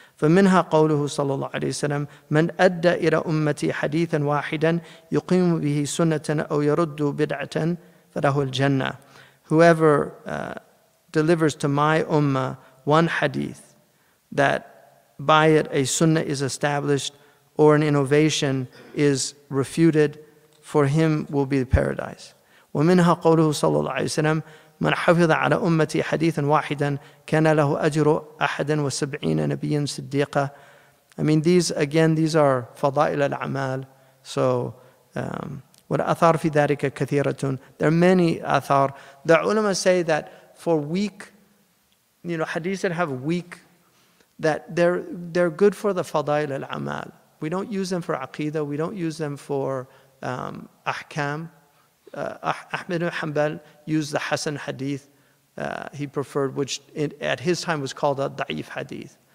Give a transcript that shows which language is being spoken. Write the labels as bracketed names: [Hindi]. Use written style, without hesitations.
[Arabic] فَمِنْهَا قَوْلُهُ صَلَى اللَّهُ عَلَيْهِ وَسَلَمْ مَنْ أَدَّى إِلَى أُمَّتِي حَدِيثًا وَاحِدًا يُقِيمُ بِهِ سُنَّةً أَوْ يَرُدُّ بِدْعَةً فَلَهُ الْجَنَّةِ. [English] Whoever delivers to my ummah one hadith, that by it a sunnah is established or an innovation is refuted, for him will be the paradise. [Arabic] وَمِنْهَا قَوْلُهُ صَلَى اللَّهُ عَلَيْهِ وَسَلَمْ مَنْ حَفِظَ عَلَى أُمَّتِي حَدِيثًا وَاحِدًا كَانَ لَهُ أَجْرُ أَحَدًا وَسَبْعِينَ نَبِيًّا صِدِّيقًا. [English] I mean, these are fada'il al-amal. [Arabic] So, وَالْأَثَارْ فِي ذَلِكَ كَثِيرَةٌ. [English] There are many athar. The ulama say that for weak, you know, hadiths that have weak, that they're good for the fada'il al-amal. We don't use them for aqidah. We don't use them for ahkam. Ahmed ibn Hanbal used the Hasan hadith he preferred, which at his time was called a da'if hadith.